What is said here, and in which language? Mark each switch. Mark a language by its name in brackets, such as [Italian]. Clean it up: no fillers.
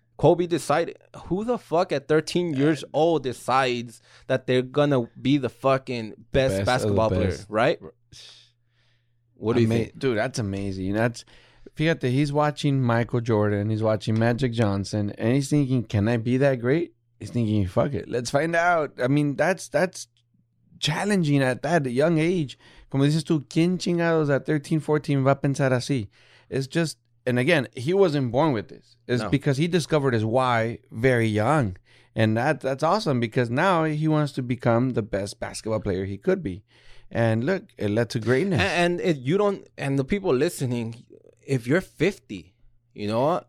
[English] Kobe decided, who the fuck at 13 years old decides that they're going to be the fucking best basketball player, right? What do you think? Dude, that's amazing. That's [Spanish] fíjate, [English] he's watching Michael Jordan, he's watching Magic Johnson, and he's thinking, can I be that great? He's thinking, fuck it, let's find out. I mean, that's challenging at that young age. [Spanish] Como dices tú, ¿quién chingados [English] at 13, 14 [Spanish] va a pensar así? [English] It's just, and again, he wasn't born with this. It's no. Because he discovered his why very young. And that's awesome because now he wants to become the best basketball player he could be. And look, it led to greatness. And if you don't, and the people listening, if you're 50, you know what?